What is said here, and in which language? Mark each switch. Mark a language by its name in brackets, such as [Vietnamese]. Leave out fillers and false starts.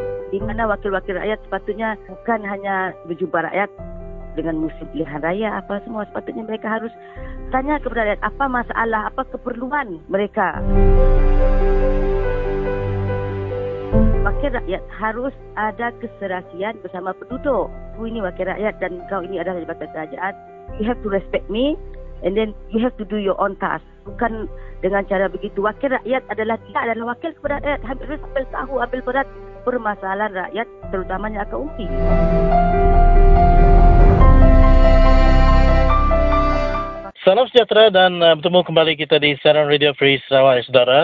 [Malay] Di mana wakil-wakil rakyat sepatutnya bukan hanya berjumpa rakyat dengan musim pilihan raya, apa semua sepatutnya mereka harus tanya kepada rakyat apa masalah, apa keperluan mereka. Wakil rakyat harus ada keserasian bersama penduduk. Aku ini wakil rakyat dan kau ini adalah jabatan kerajaan. [English] You have to respect me and then you have to do your own task. [Malay] Bukan dengan cara begitu. Wakil rakyat adalah tidak adalah wakil kepada rakyat. Ambil tahu, ambil berat permasalahan rakyat, terutamanya akaunti. Salam sejahtera dan bertemu kembali kita di Saran Radio Free Sarawak, saudara.